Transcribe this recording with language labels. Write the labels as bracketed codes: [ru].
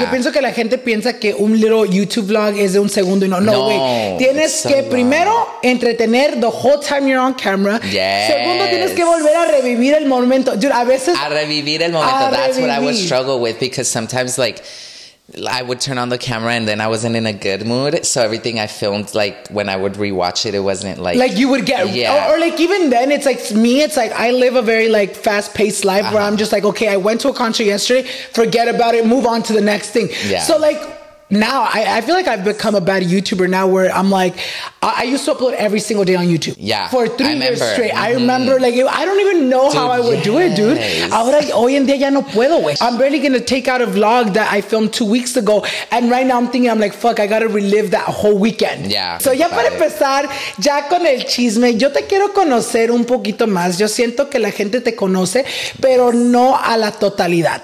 [es] Yo pienso que la gente piensa que un [en] little YouTube vlog [es] es de un segundo. [en] No, wait. [es] Tienes [en] so [es] que [en] long. [es] Primero entretener [en] the whole time you're on camera. Yes. [es] Segundo, tienes que volver a revivir el momento. Dude, a veces... A revivir el momento. [en] That's what I would struggle with, because sometimes, like... I would turn on the camera and then I wasn't in a good mood. So everything I filmed, like when I would rewatch it, it wasn't like... Like you would get... Yeah. Or like even then, it's like me, it's like I live a very like fast paced life where I'm just like, okay, I went to a concert yesterday, forget about it, move on to the next thing. Yeah. So like... Now, I feel like I've become a bad YouTuber now where I'm like, I used to upload every single day on YouTube. Yeah. For 3 years straight. Mm-hmm. I remember, like, I don't even know dude, how I would do it, dude. [es] Ahora, hoy en día ya no puedo, güey. [en] I'm barely going to take out a vlog that I filmed 2 weeks ago. And right now I'm thinking, I'm like, fuck, I got to relive that whole weekend. Yeah. [es] So ya para empezar, ya con el chisme, yo te quiero conocer un poquito más. Yo siento que la gente te conoce, pero no a la totalidad.